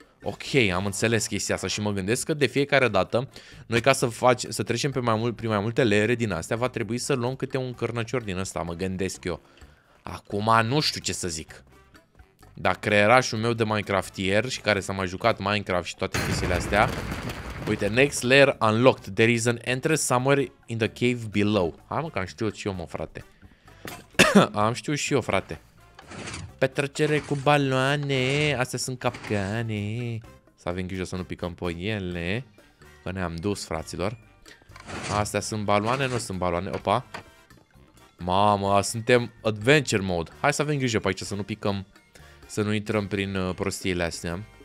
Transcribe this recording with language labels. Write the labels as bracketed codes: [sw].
[ro] Ok, am înțeles chestia asta și mă gândesc că de fiecare dată noi ca să trecem pe prin mai multe leere din astea va trebui să luăm câte un cărnăcior din ăsta, mă gândesc eu. Acum nu știu ce să zic. Dar creierașul meu de Minecraftier și care s-a mai jucat Minecraft și toate chestiile astea. Uite, [en] next layer unlocked. There is an entrance somewhere in the cave below. [ro] Hai mă că am știut și eu, mă, frate. Am știut și eu, frate. Petrecere cu baloane, astea sunt capcane. Să avem grijă să nu picăm pe ele, că ne-am dus, fraților. Astea sunt baloane, nu sunt baloane, opa. Mamă, suntem adventure mode. Hai să avem grijă pe aici să nu picăm, să nu intrăm prin prostiile astea.